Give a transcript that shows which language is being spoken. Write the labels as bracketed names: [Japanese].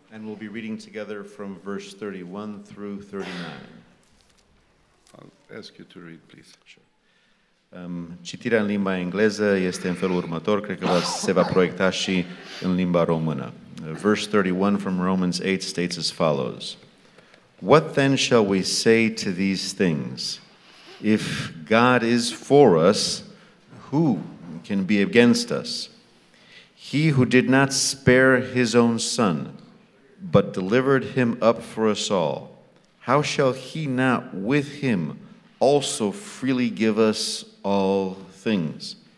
[English] And we'll be reading together from verse 31 through 39. I'll ask you to read, please. Sure. [Romanian] Citirea în limba engleză este în felul următor, cred că se va proiecta și în limba română. [English] Verse 31 from Romans 8 states as follows. What then shall we say to these things? If God is for us, who can be against us? He who did not spare his own son, but delivered him up for us all, how shall he not with him also freely give us all things?